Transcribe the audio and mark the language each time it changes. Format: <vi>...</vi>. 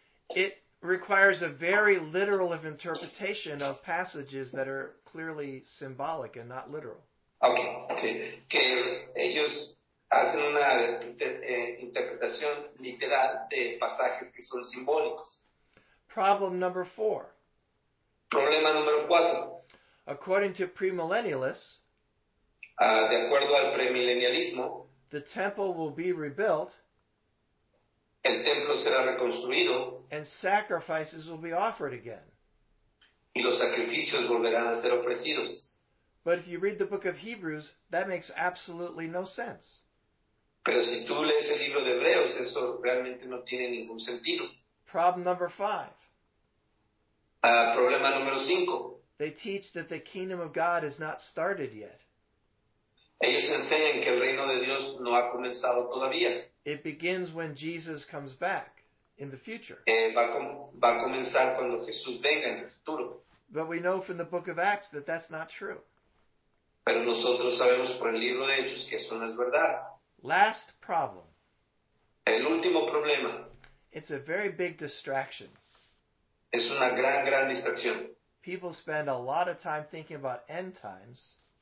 <en>It requires a very literal of interpretation of passages that are clearly symbolic and not literal.</en> <es>Okay, sí. Que ellos hacen una interpretación literal de pasajes que son simbólicos.</es> <en>Problem number four.</en> <es>Problema número cuatro.</es> <en>According to premillennialists,</en> <es>de acuerdo al premillennialismo,</es> <en>the temple will be rebuilt.</en> <es>El templo será reconstruido.</es> <en>And sacrifices will be offered again.</en> <es>Y los sacrificios volverán a ser ofrecidos.</es> <en>But if you read the book of Hebrews, that makes absolutely no sense.</en> <es>Pero si tú lees el libro de Hebreos, eso realmente no tiene ningún sentido.</es> <en>Problem number five.</en> <es>Problema número cinco.</es> <en>They teach that the kingdom of God has not started yet.</en> <es>Ellos enseñan que el reino de Dios no ha comenzado todavía.</es> <en>It begins when Jesus comes back in the future.</en> <es>Va a comenzar cuando Jesús venga en el futuro.</es> <en>But we know from the book of Acts that that's not true.</en> <es>Pero nosotros sabemos por el libro de Hechos que eso no es verdad.</es> <en>Last problem.</en> <es>El último problema.</es> <en>It's a very big distraction.</en> <es>Es una gran, gran distracción.</es> <en>People spend a lot of time thinking about end times.</en>